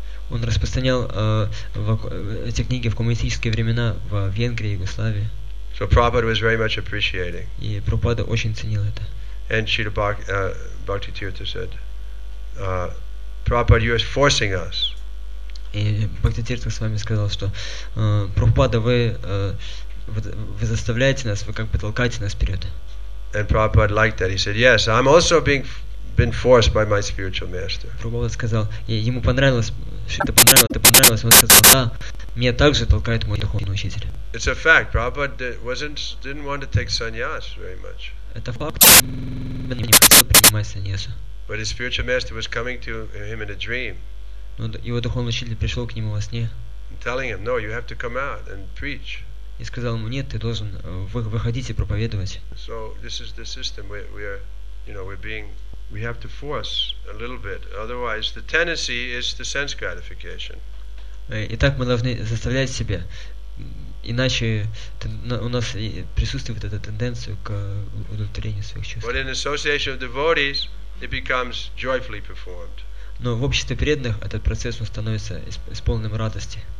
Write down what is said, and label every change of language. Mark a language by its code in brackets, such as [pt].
[ru] Он распространял эти книги в коммунистические времена в Венгрии, Югославии. [en] So Prabhupada was very much appreciating. [ru] И Прабхупада очень ценил это. [en] And Srila Bhakti Tirtha said, Prabhupada, you are forcing us. [ru] И Бхакти Тиртха с вами сказал, что Прабхупада, вы заставляете нас, вы как бы толкаете нас вперед. [en] And Prabhupada liked that. He said, yes, I'm also been forced by my spiritual master. [ru] Прабхупада сказал, ему понравилось, это понравилось, он сказал, да, меня также толкает мой духовный учитель. [en] It's a fact. Prabhupada didn't want to take sannyas very much. [ru] Это факт, он не хотел принимать саньясу. [en] But his spiritual master was coming to him in a dream. [ru] Но его духовный учитель пришел к нему во сне. [en] Telling him, no, you have to come out and preach. [ru] И сказал ему, нет, ты должен выходить и проповедовать. [en] So this is the system we have to force a little bit. Otherwise, the tendency is the sense gratification. [ru] Итак, мы должны заставлять себя, иначе у нас присутствует эта тенденция к удовлетворению своих чувств. [en] But in association of devotees, it becomes joyfully performed. [ru] Но в обществе преданных этот процесс он становится исполненным радости.